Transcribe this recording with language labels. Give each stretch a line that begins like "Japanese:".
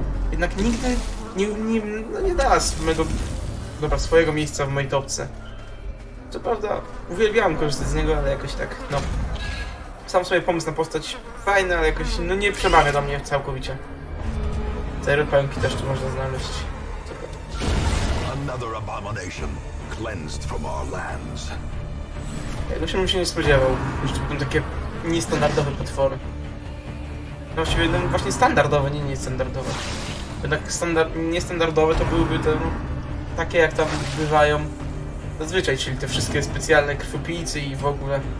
Polish: Jednak nigdy nie da mego... dobra, swojego miejsca w mojej topce. Co prawda, uwielbiałem korzystać z niego, ale jakoś tak, no... sam sobie pomysł na postać fajny, ale jakoś, no nie przemawia do mnie całkowicie. Cztery pająki też tu można znaleźć.
English: Another abomination. Cleansed from our lands.
Polish: Jakoś bym się nie spodziewał, że to będą takie niestandardowe potwory. Właściwie, no właśnie standardowe, nie niestandardowe. jednak niestandardowe to byłyby te takie, jak tam bywają zazwyczaj, czyli te wszystkie specjalne krwiopijcy i w ogóle.